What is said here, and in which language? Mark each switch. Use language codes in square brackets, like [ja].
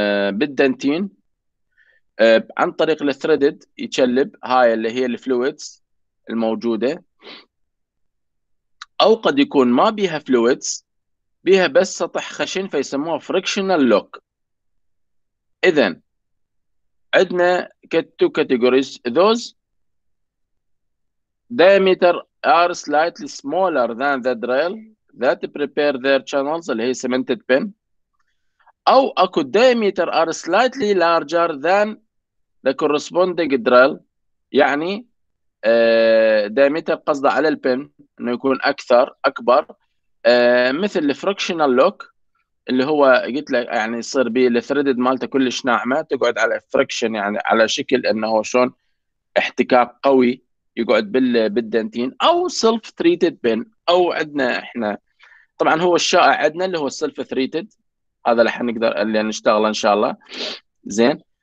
[ar] بالدنتين عن طريق الثريدد يتشلب، هاي اللي هي الفلويدز الموجوده، او قد يكون ما بيها فلويدز بيها بس سطح خشن فيسموها فريكشنال لوك. اذا عندنا [en] two categories those diameter are slightly smaller than the drill that prepare their channels [ar] اللي هي [en] cemented pin، [ar] أو أكو [en] diameter are slightly larger than the corresponding درال [ar] يعني ديمتر قصده على البن انه يكون اكثر اكبر، مثل الفركشنال لوك اللي هو قلت لك يعني يصير بيه الثريدد مالته كلش ناعمه، تقعد على فركشن يعني على شكل انه شلون احتكاك قوي يقعد بالدنتين، او سيلف تريتد بن، او عندنا احنا طبعا هو الشائع عندنا اللي هو السيلف تريتد، هذا اللي حنقدر اللي نشتغله ان شاء الله زين.